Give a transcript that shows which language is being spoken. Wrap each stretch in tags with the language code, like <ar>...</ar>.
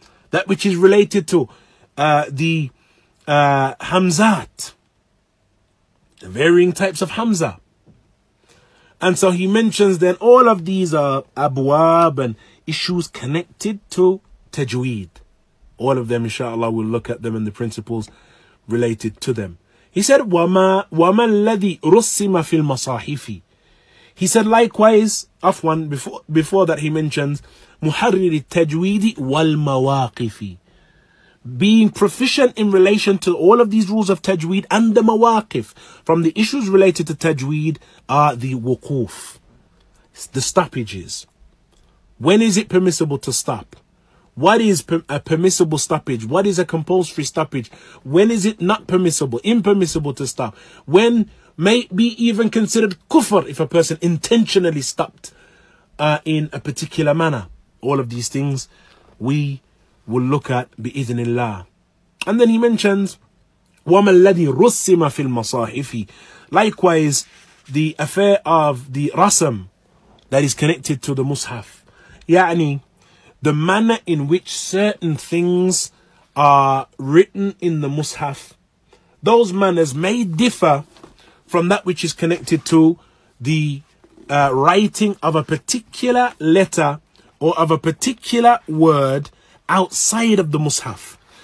<en>That which is related to the hamzat, the varying types of hamza. And so he mentions then all of these are abwab and issues connected to tajweed. All of them, inshallah, we'll look at them and the principles related to them.</en> <ar>He said, وَمَا الَّذِي رُسِّمَ فِي الْمَصَاحِفِ.</ar> <en>He said, likewise, Afwan, before that he mentions, محرر التجويد والمواقف. Being proficient in relation to all of these rules of tajweed and the mawaqif. From the issues related to tajweed are the wukuf, the stoppages. When is it permissible to stop? What is a permissible stoppage? What is a compulsory stoppage? When is it not permissible, impermissible to stop? When may it be even considered kufr if a person intentionally stopped in a particular manner? All of these things we will look at bi-idhnillah.</en> <ar>And then he mentions, وَمَا الَّذِي رُسِّمَ فِي الْمَصَاحِفِ.</ar> <en>Likewise, the affair of the rasam that is connected to the mushaf. Ya'ani, the manner in which certain things are written in the mushaf, those manners may differ from that which is connected to the writing of a particular letter or of a particular word outside of the mushaf.</en>